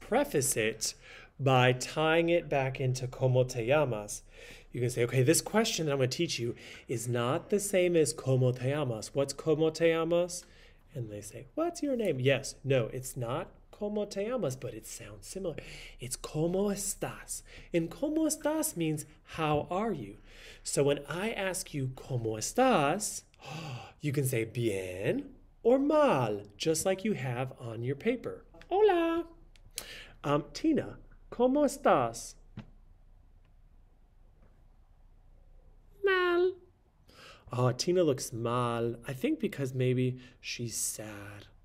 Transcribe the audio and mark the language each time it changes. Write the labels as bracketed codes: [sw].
[en] Preface it by tying it back into [es] ¿cómo te llamas? [en] You can say, okay, this question that I'm going to teach you is not the same as [es] ¿cómo te llamas? [en] What's [es] ¿cómo te llamas? [en] And they say, what's your name? Yes, no, it's not [es] ¿cómo te llamas? [en] But it sounds similar. It's [es] ¿cómo estás? [en] And [es] ¿cómo estás [en] means how are you? So when I ask you [es] ¿cómo estás? [en] You can say bien or mal, just like you have on your paper. Hola. [es] Tina, ¿cómo estás? [en] Oh, Tina looks mal. I think because maybe she's sad.